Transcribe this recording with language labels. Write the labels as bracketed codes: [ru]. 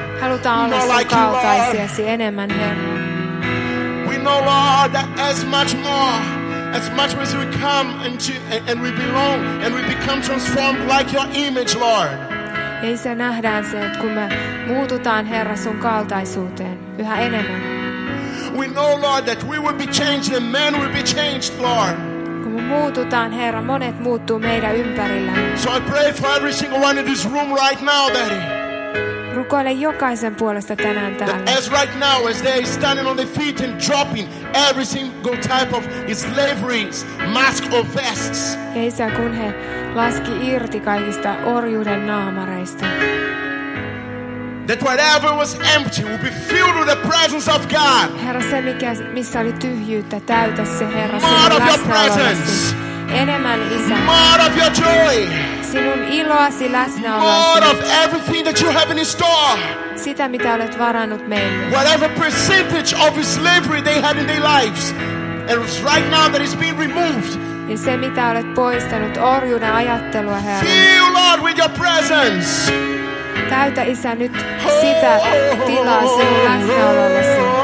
[fi] Halutaan olla sun kaltaisiasi enemmän, Herra. [en] We know, Lord, that as much as we come and we belong and we become transformed like your image, Lord. [fi] Ja Isä, nähdään se, että kun me muututaan, Herra, sun kaltaisuuteen yhä enemmän. [en] We know, Lord, that we will be changed and men will be changed, Lord. [fi] Muututaan, Herra, monet muuttuu meidän ympärillä. [en] So I pray for every single one in this room right now, Daddy. [fi] Rukoile jokaisen puolesta tänään täällä. [en] That as right now, as they are standing on their feet and dropping every single type of slavery, mask or vests. [fi] Ja Isä, kun he laski irti kaikista orjuuden naamareista. [en] That whatever was empty will be filled with the presence of God. [fi] Herra, se mikä missä oli tyhjyyttä, täytä se, Herra, sinun läsnäolosi. [en] More of your presence. [fi] Enemmän, Isä. [en] More of your joy. [fi] Sinun iloasi läsnäolosi. [en] More of everything that you have in store. [fi] Sitä mitä olet varannut meille. [en] Whatever percentage of slavery they had in their lives, and it's right now that it's being removed. [fi] Ja se mitä olet poistanut orjuuden ajattelua, Herra. [en] Fill, Lord, with your presence. [fi] Täytä, Isä, nyt sitä tilaa sinun läsnäolollasi.